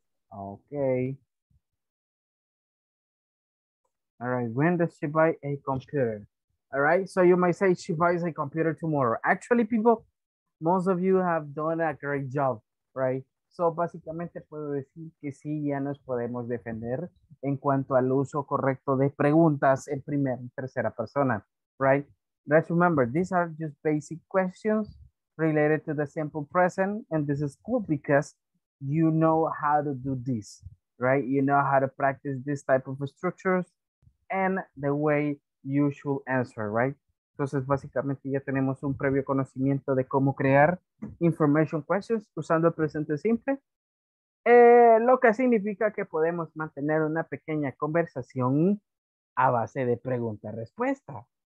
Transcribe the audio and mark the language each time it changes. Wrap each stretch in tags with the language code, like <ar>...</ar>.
<en>Okay. All right, when does she buy a computer? All right, so you might say she buys a computer tomorrow. Actually, people, most of you have done a great job, right?</en> <es>So, básicamente puedo decir que sí, ya nos podemos defender en cuanto al uso correcto de preguntas en primera y tercera persona, right?</es> <en>Let's remember, these are just basic questions related to the simple present, and this is cool because you know how to do this, right? You know how to practice this type of structures and the way you should answer, right?</en> <es>Entonces, básicamente ya tenemos un previo conocimiento de cómo crear information questions usando el presente simple. Lo que significa que podemos mantener una pequeña conversación a base de pregunta-respuesta.</es>